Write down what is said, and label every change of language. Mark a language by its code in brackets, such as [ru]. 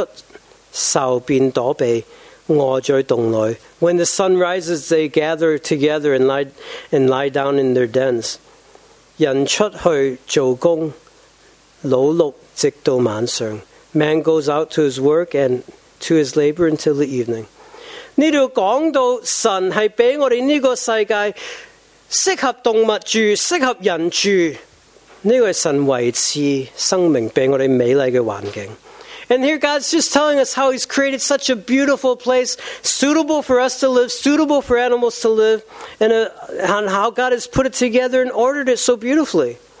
[en] 22 verse 22 [zh] 日頭一出獸便躲避 [en] When the sun rises, they gather together and lie down in their dens. [zh] 人出去做工,勞碌直到晚上. [en] Man goes out to his work and to his labor until the evening. [zh] 这里讲到神是给我们这个世界适合动物住,适合人住. 这个是神维持生命给我们美丽的环境. [en] And here God's just telling us how he's created such a beautiful place, suitable for us to live, suitable for animals to live, and how God has put it together and ordered it so beautifully.